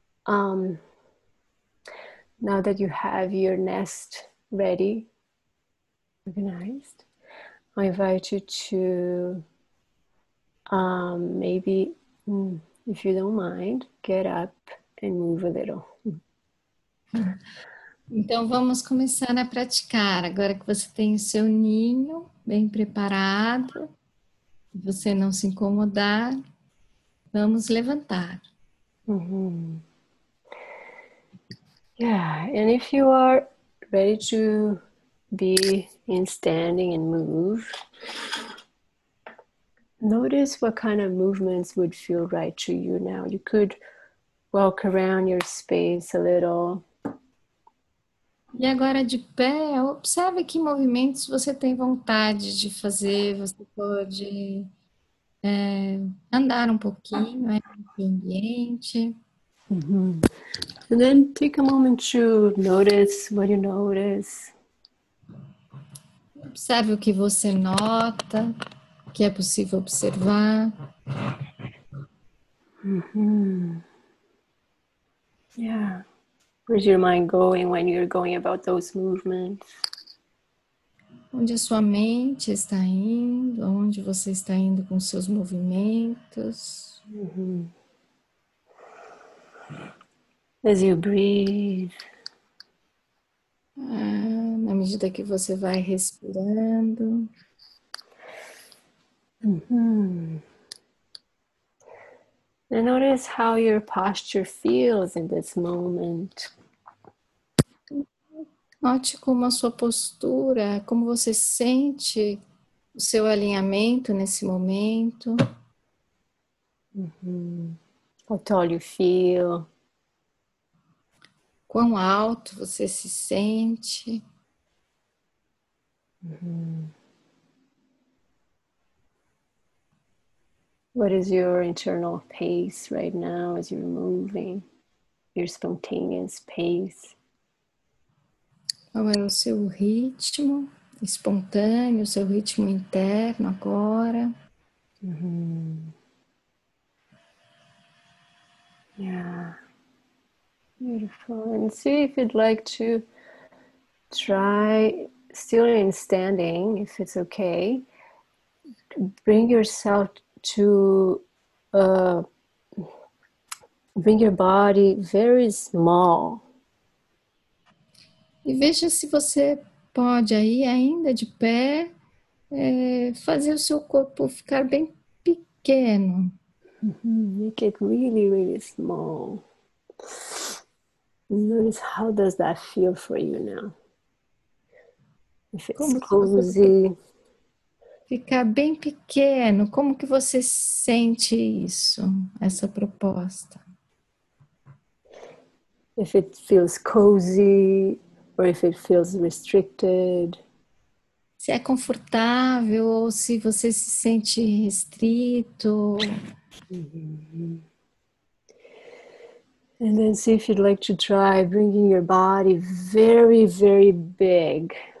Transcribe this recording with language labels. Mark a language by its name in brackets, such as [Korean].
[English] Now that you have your nest ready, organized, I invite you to maybe, if you don't mind, get up and move a little. [Portuguese] Então vamos começar a praticar. Agora que você tem o seu ninho bem preparado, você não se incomodar, vamos levantar. Uhum. [English] Yeah, and if you are ready to be in standing and move. Notice what kind of movements would feel right to you now. You could walk around your space a little. [Portuguese] E agora de pé, observe que movimentos você tem vontade de fazer. Você pode andar um pouquinho, ambiente. Mm-hmm. [English] And then take a moment to notice what you notice. [Portuguese] Observe o que você nota, o que é possível observar. Mm-hmm. Yeah. [English] Where's your mind going when you're going about those movements? [Portuguese] Onde a sua mente está indo? Onde você está indo com seus movimentos? Uhum. [English] As you breathe. [Portuguese] Na medida que você vai respirando. Uhum. [English] And notice how your posture feels in this moment. [Portuguese] Note como a sua postura, como você sente o seu alinhamento nesse momento. [English] Uhum. How tall you feel. [Portuguese] Quão alto você se sente. Uhum. [English] What is your internal pace right now as you're moving? Your spontaneous pace. [Portuguese] Qual é o seu ritmo espontâneo, seu ritmo interno agora? Uhum. [English] Yeah. Beautiful. And see if you'd like to try, still in standing, if it's okay, bring yourself to, bring your body very small. [Portuguese] E veja se você pode aí, ainda de pé, fazer o seu corpo ficar bem pequeno. [English] Make it really, really small. Notice how does that feel for you now? If it's [Portuguese] como [English] cozy. [Portuguese] Ficar bem pequeno, como que você sente isso, essa proposta? [English] If it feels cozy. Or if it feels restricted. [Portuguese] Se é confortável ou se você se sente restrito. [English] And then see if you'd like to try bringing your body very, very big.